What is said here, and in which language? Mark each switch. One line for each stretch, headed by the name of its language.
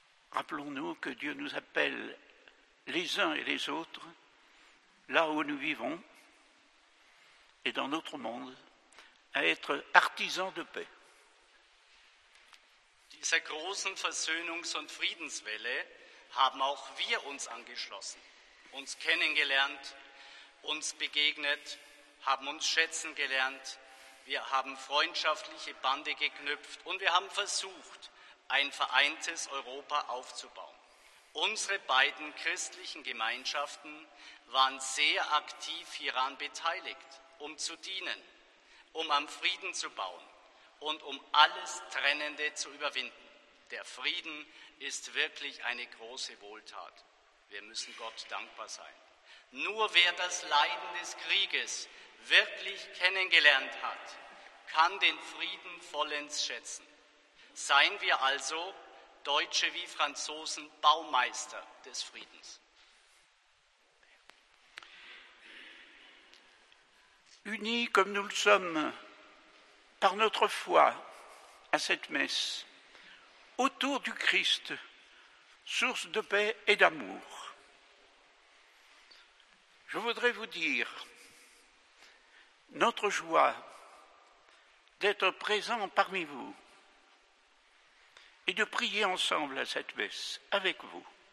French: Rappelons-nous que Dieu nous appelle les uns et les autres, là où nous vivons et dans notre monde, à être artisans de paix.
German: Dieser großen Versöhnungs- und Friedenswelle haben auch wir uns angeschlossen, uns kennengelernt, uns begegnet, haben uns schätzen gelernt, wir haben freundschaftliche Bande geknüpft und wir haben versucht, ein vereintes Europa aufzubauen. Unsere beiden christlichen Gemeinschaften waren sehr aktiv hieran beteiligt, um zu dienen, um am Frieden zu bauen und um alles Trennende zu überwinden. Der Frieden ist wirklich eine große Wohltat. Wir müssen Gott dankbar sein. Nur wer das Leiden des Krieges wirklich kennengelernt hat, kann den Frieden vollends schätzen. Seien wir also, Deutsche wie Franzosen, Baumeister des Friedens.
French: Unis comme nous le sommes par notre foi à cette messe, autour du Christ, source de paix et d'amour, je voudrais vous dire notre joie d'être présent parmi vous et de prier ensemble à cette messe avec vous.